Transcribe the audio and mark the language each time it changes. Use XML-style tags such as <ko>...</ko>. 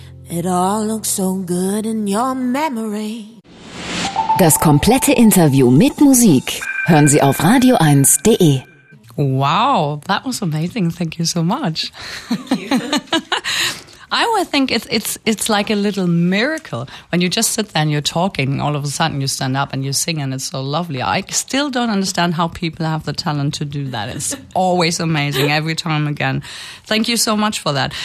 <en>It all looks so good in your memory.</en> <de>Das komplette Interview mit Musik hören Sie auf radio1.de.</de> <en>Wow, that was amazing. Thank you so much. Thank you. I would think it's like a little miracle when you just sit there and you're talking, all of a sudden you stand up and you sing and it's so lovely. I still don't understand how people have the talent to do that. It's always amazing every time again. Thank you so much for that.</en>